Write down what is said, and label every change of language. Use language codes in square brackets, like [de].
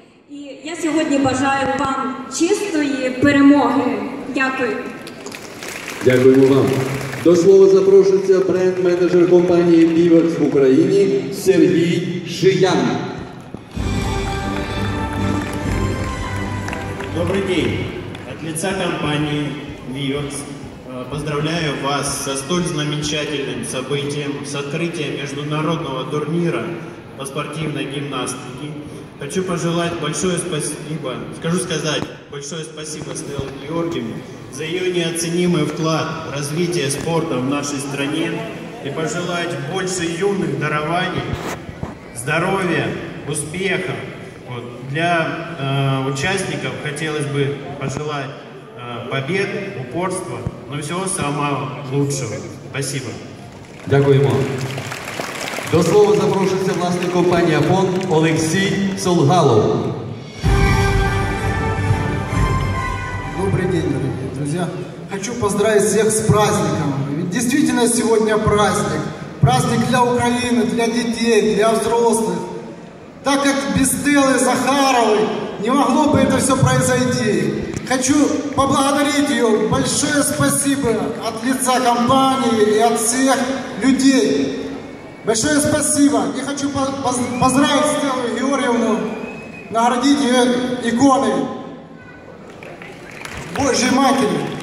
[uk] І я сьогодні бажаю вам чистої перемоги. Дякую. Дякую вам. До слова запрошується бренд-менеджер компанії «Піверс» в Україні Сергій Шиян. Добрий день. [ru] От лица компании «Виверс» поздравляю вас со столь знаменательным событием, с открытием международного турнира по спортивной гимнастике. Хочу пожелать большое спасибо, Стелле Георгиевне за ее неоценимый вклад в развитие спорта в нашей стране и пожелать больше юных дарований, здоровья, успехов. Вот. Для участников хотелось бы пожелать побед, упорства, но всего самого лучшего. Спасибо. [uk] Дякуємо. До слова запрошується власник компанії «Афон» Олексій Солгалов. Добрий день, дорогі друзі. Хочу поздравити всіх з праздником. Дійсно, сьогодні праздник. Праздник для України, для дітей, для взрослих. Так як без Стелли Захарової не могло би це все пройти. [ru] Хочу поблагодарить ее. Большое спасибо от лица компании и от всех людей. Большое спасибо. И хочу поздравить Стеллу Георгиевну, наградить ее иконой Божьей Матери.